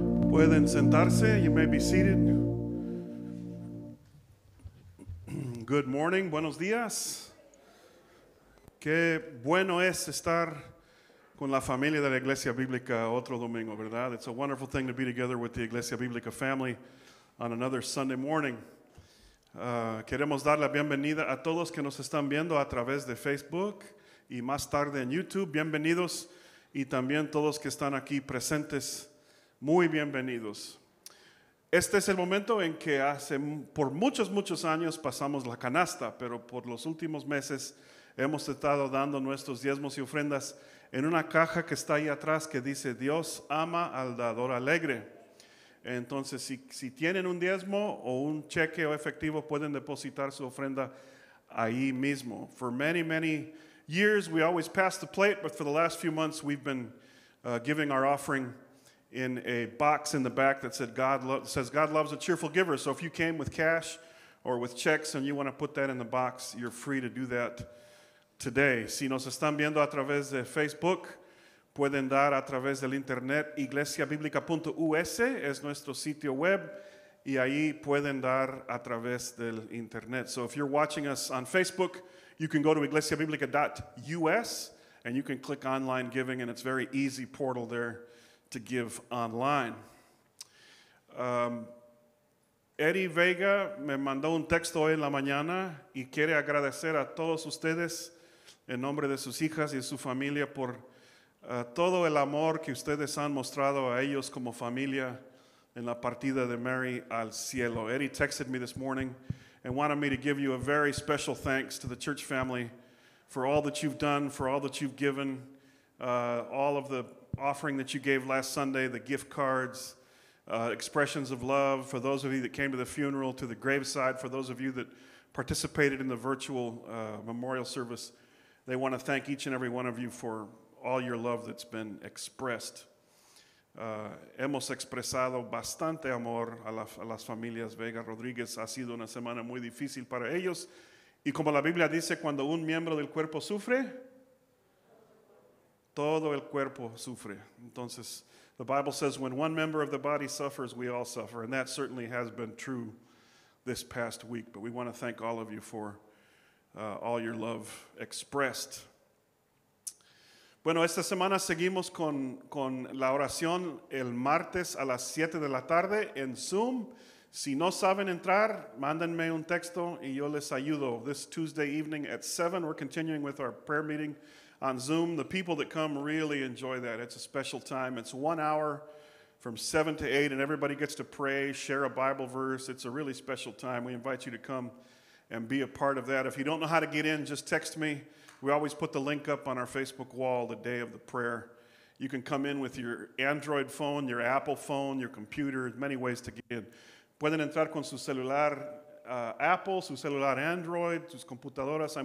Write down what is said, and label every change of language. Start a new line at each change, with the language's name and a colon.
Spanish: Pueden sentarse.
English: You may be seated. Good morning.
Spanish: Buenos días. Qué bueno es estar con la familia de la Iglesia Bíblica otro domingo, ¿verdad?
English: It's a wonderful thing to be together with the Iglesia Bíblica family on another Sunday morning.
Spanish: Queremos dar la bienvenida a todos que nos están viendo a través de Facebook y más tarde en YouTube. Bienvenidos. Y también todos que están aquí presentes, muy bienvenidos. Este es el momento en que hace por muchos, muchos años pasamos la canasta, pero por los últimos meses hemos estado dando nuestros diezmos y ofrendas en una caja que está ahí atrás que dice Dios ama al dador alegre. Entonces, si tienen un diezmo o un cheque o efectivo, pueden depositar su ofrenda ahí mismo.
English: For many, many years, we always pass the plate, but for the last few months, we've been giving our offering in a box in the back that said God loves a cheerful giver. So if you came with cash or with checks and you want to put that in the box, you're free to do that today.
Spanish: Si nos están viendo a través de Facebook, pueden dar a través del internet iglesiabiblica.us, es nuestro sitio web, y ahí pueden dar a través del internet.
English: So if you're watching us on Facebook, you can go to iglesiabiblica.us and you can click online giving, and it's a very easy portal there to give online.
Spanish: Eddie Vega me mandó un texto hoy en la mañana y quiere agradecer a todos ustedes en nombre de sus hijas y de su familia por todo el amor que ustedes han mostrado a ellos como familia en la partida de Mary al cielo.
English: Eddie texted me this morning and wanted me to give you a very special thanks to the church family for all that you've done, for all that you've given, all of the offering that you gave last Sunday, the gift cards, expressions of love for those of you that came to the funeral, to the graveside, for those of you that participated in the virtual memorial service. They want to thank each and every one of you for all your love that's been expressed.
Spanish: Hemos expresado bastante amor a las familias Vega Rodríguez. Ha sido una semana muy difícil para ellos. Y como la Biblia dice, cuando un miembro del cuerpo sufre, todo el cuerpo sufre. Entonces,
English: the Bible says, when one member of the body suffers, we all suffer. And that certainly has been true this past week. But we want to thank all of you for all your love expressed.
Spanish: Bueno, esta semana seguimos con la oración el martes a las 7 de la tarde en Zoom. Si no saben entrar, mándenme un texto y yo les ayudo.
English: This Tuesday evening at 7, we're continuing with our prayer meeting on Zoom. The people that come really enjoy that. It's a special time. It's 1 hour from 7 to 8, and everybody gets to pray, share a Bible verse. It's a really special time. We invite you to come and be a part of that. If you don't know how to get in, just text me. We always put the link up on our Facebook wall the day of the prayer. You can come in with your Android phone, your Apple phone, your computer. Many ways to get in.
Spanish: Pueden entrar con su celular Apple, su celular Android, sus computadoras.